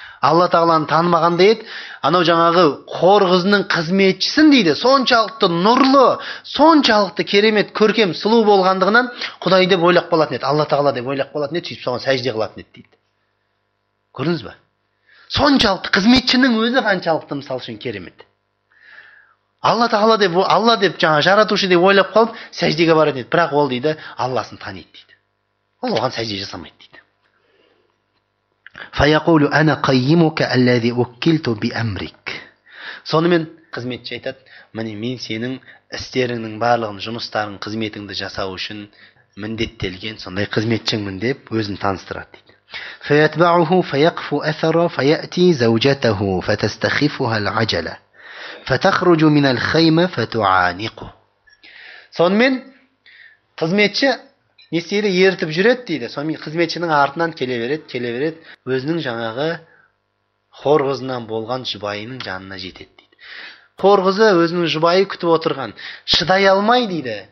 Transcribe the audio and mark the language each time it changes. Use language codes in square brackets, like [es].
[kk] Алла Тағаланы танымағанда еді, анау жаңағы хор қызының қызметшісін дейді, соншалықты нұрлы, соншалықты керемет, көркем, сұлу болғандығынан Құдай деп ойлап қалатын еді, Алла Тағала деп ойлап қалатын еді, сөйтіп соған сәжде қылатын еді дейді. Көрдіңіз ба? Соншалықты қызметшінің өзі қаншалықты мысалы үшін керемет. Алла Тағала деп, Алла деп жаңа жаратушы деп ойлап қалып, сәждеге баратын еді, бірақ ол дейді, Алласын таниды дейді. Ол оған сәжде жасамайды дейді. [ar] فيقول انا قيمك الذي وكلت بامرك. [kk] Сонымен қызметші айтады, "Міне мен сенің істеріңнің барлығын, жұмыстарың, қызметіңді жасау үшін міндеттелген сондай қызметшіңмін" деп өзін таныстырады дейді. [ar] فيتبعه فيقف اثره فياتي زوجته فتستخفها العجله فتخرج من الخيمه فتعانقه. [kk] Сонымен қызметші несиелі ертіп жүреді дейді. Сонымен қызметшінің артынан келе береді, келе береді. Өзінің жаңағы хор қызынан болған жұбайының жанына жетеді дейді. Хор қызы өзінің жұбайы күтіп отырған, шыдай алмай дейді.